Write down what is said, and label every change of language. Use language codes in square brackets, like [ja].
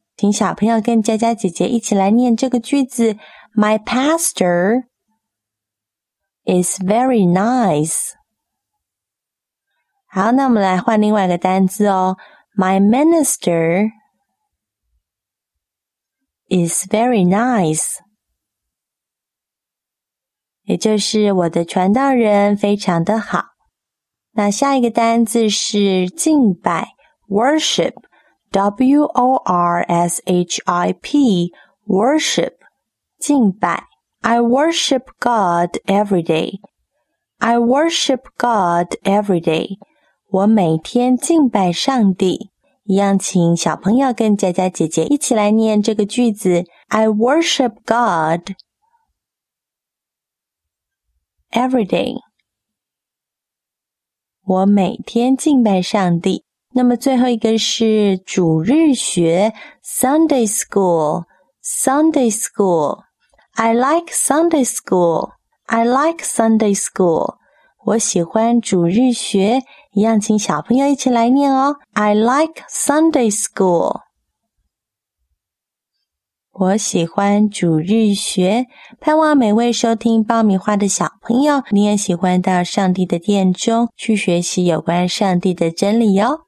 [zh] 请小朋友跟佳佳姐姐一起来念这个句子。 [en] My pastor is very nice. [zh] 好，那我们来换另外一个单字哦。 [en] My minister is very nice. [zh] 也就是我的传道人非常的好。那下一个单字是敬拜 ,worship。 [en] W-O-R-S-H-I-P, worship, 敬拜。 I worship God every day. I worship God every day. [zh] 我每天敬拜上帝。一样请小朋友跟佳佳姐姐一起来念这个句子。 [en] I worship God every day. [zh] 我每天敬拜上帝。那么最后一个是主日学 Sunday school, Sunday school. [en] I like Sunday school, I like Sunday school. [zh] 我喜欢主日学，一样请小朋友一起来念哦。 [en] I like Sunday school. [zh] 我喜欢主日学，盼望每位收听爆米花的小朋友，你也喜欢到上帝的殿中去学习有关上帝的真理哦。